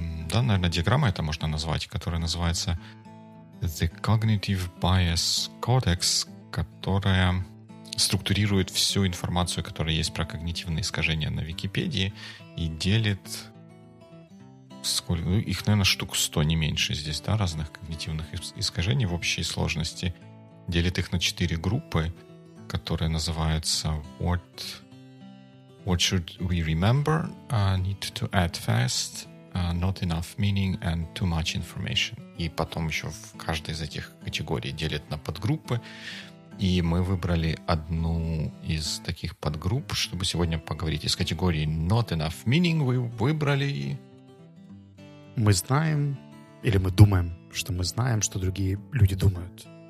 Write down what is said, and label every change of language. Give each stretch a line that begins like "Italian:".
Russian: Да, наверное, диаграмма это можно назвать, которая называется The Cognitive Bias Codex, которая структурирует всю информацию, которая есть про когнитивные искажения на Википедии и делит... Сколько? Их, наверное, штук 100, не меньше здесь, да, разных когнитивных искажений в общей сложности. Делит их на 4 группы, которые называются
English: What should we remember? Need to add fast, not enough meaning and too much information.
Russian: И потом еще в каждой из этих категорий делит на подгруппы. И мы выбрали одну из таких подгрупп, чтобы сегодня поговорить. Из категории
English: not enough meaning
Russian: вы выбрали... Мы знаем, или мы думаем, что мы знаем, что другие люди думают.